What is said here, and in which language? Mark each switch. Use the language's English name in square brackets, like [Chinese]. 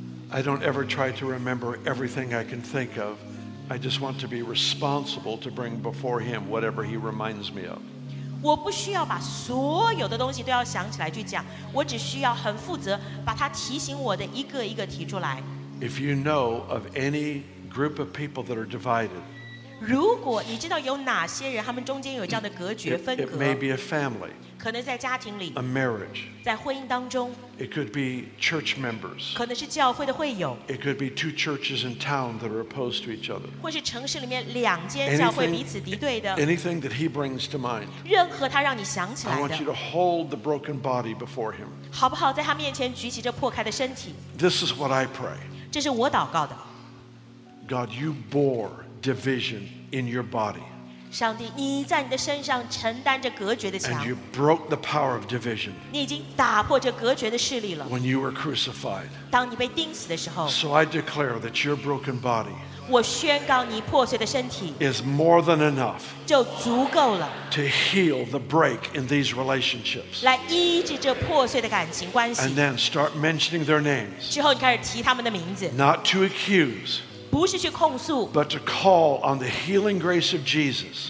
[English] I don't ever try to remember everything I can think of. I just want to be responsible to bring before him whatever he reminds me of. [Chinese] 我不需要把所有的东西都要想起来去讲，我只需要很负责把他提醒我的一个一个提出来。 [English] If you know of any group of people that are divided, [Chinese] 如果你知道有哪些人他们中间有这样的隔绝分隔 [English] it may be a family, [Chinese] 可能在家庭里 [English] a marriage, [Chinese] 在婚姻当中 [English] it could be church members, [Chinese] 可能是教会的会友 [English] it could be two churches in town that are opposed to each other, [Chinese] 或是城市里面两间教会彼此敌对的 [English] anything that he brings to mind, [Chinese] 任何他让你想起来的 [English] I want you to hold the broken body before him, [Chinese] 好不好在他面前举起这破开的身体 [English] this is what I pray, [Chinese] 这是我祷告的 [English] God, you bore division in your body. [Chinese] 上帝，你在你的身上承担着隔绝的墙。 [English] And you broke the power of division. [Chinese] 你已经打破这隔绝的势力了。 [English] When you were crucified. [Chinese] 当你被钉死的时候。 [English] So I declare that your broken body. [Chinese] 我宣告你破碎的身体。 [English] Is more than enough. [Chinese] 就足够了。 [English] To heal the break in these relationships. [Chinese] 来医治这破碎的感情关系。 [English] And then start mentioning their names. [Chinese] 之后你开始提他们的名字。 [English] Not to accuse. [Chinese] 不是去控诉 [English] but to call on the healing grace of Jesus